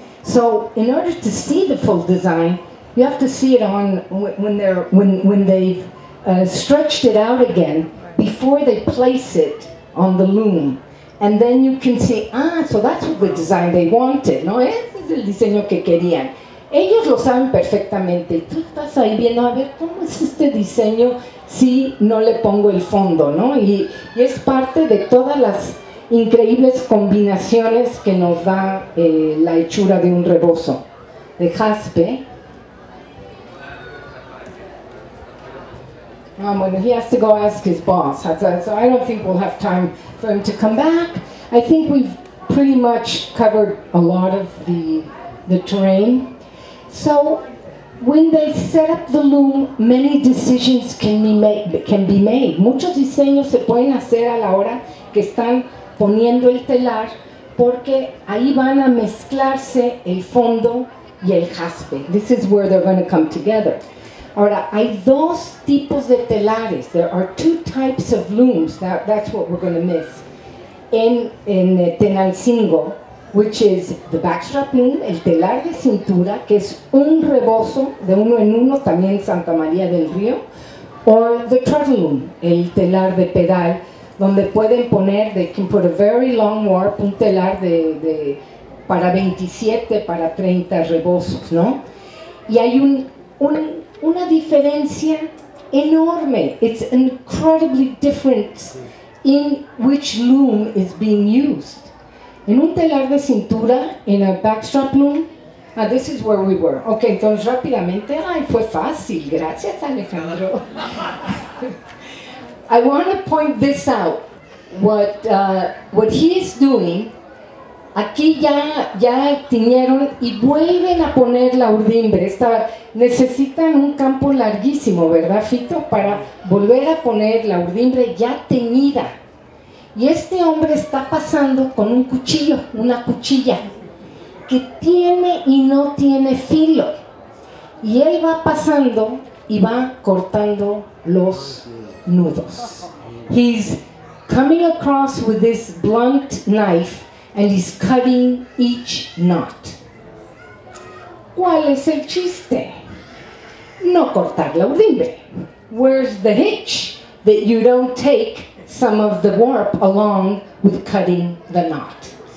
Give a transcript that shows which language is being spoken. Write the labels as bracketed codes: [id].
[en] So, in order to see the full design, you have to see it on when they've stretched it out again before they place it on the loom, and then you can see, ah, so that's what the design they wanted. [es] No, ese es el diseño que querían. Ellos lo saben perfectamente. Tú estás ahí viendo, a ver, ¿cómo es este diseño si no le pongo el fondo, no? Y es parte de todas las increíbles combinaciones que nos da la hechura de un rebozo de jaspe. [en] He has to go ask his boss. So I don't think we'll have time for him to come back. I think we've pretty much covered a lot of the terrain. So when they set up the loom, many decisions can be made. [es] Muchos diseños se pueden hacer a la hora que están poniendo el telar, porque ahí van a mezclarse el fondo y el jaspe. [en] This is where they're going to come together. [es] Ahora, hay dos tipos de telares. [en] There are two types of looms. That's what we're going to miss. [es] En Tenancingo, [en] which is the backstrap loom, [es] el telar de cintura, que es un rebozo de uno en uno, también Santa María del Río, [en] or the treadle loom, [es] el telar de pedal, donde pueden poner, [en] they can put a very long warp, [es] un telar de para 27, para 30 rebozos, ¿no? Y hay una diferencia enorme. [en] It's incredibly different in which loom is being used. [es] En un telar de cintura, en un backstrap loom, [en] this is where we were. [es] Ok, entonces rápidamente, ay, fue fácil, gracias Alejandro. [en] I want to point this out, what he is doing, [es] aquí ya tiñeron y vuelven a poner la urdimbre. Necesitan un campo larguísimo, ¿verdad, Fito? Para volver a poner la urdimbre ya teñida. Y este hombre está pasando con un cuchillo, una cuchilla, que tiene y no tiene filo. Y él va pasando y va cortando los nudos. [en] He's coming across with this blunt knife and he's cutting each knot. [es] ¿Cuál es el chiste? No cortar la urdimbre. [en] Where's the hitch that you don't take some of the warp along with cutting the knot?